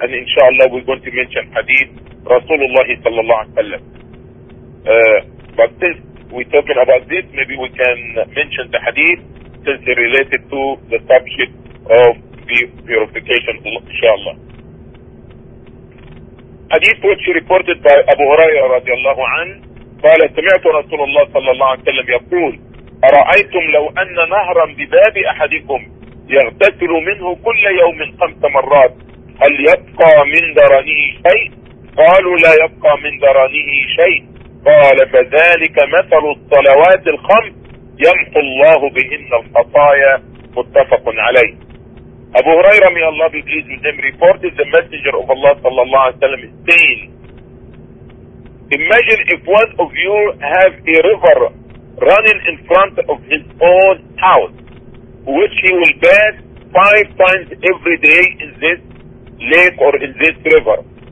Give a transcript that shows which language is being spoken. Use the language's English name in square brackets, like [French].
[English] And inshallah we're going to mention hadith Rasulullah sallallahu alaihi wasallam. But since we're talking about this, maybe we can mention the hadith, since it's related to the subject of purification, inshallah. Hadith which reported by Abu Huraira radiallahu anhu, [Arabic] قال سمعت رسول الله صلى الله عليه وسلم يقول أرأيتم لو أن نهرا بباب أحدكم يغتسل منه كل يوم خمس مرات هل يبقى من درنه شيء؟ قالوا لا يبقى من درنه شيء. قال فذلك مثل الصلوات الخمس يمحو الله بهن الخطايا. متفق عليه. [English] Abu Huraira, may Allah be pleased with him, reported the Messenger of Allah sallallahu alaihi wasallam saying, imagine if one of you have a river running in front of his own house, which he will bathe five times every day in this lake or in this river.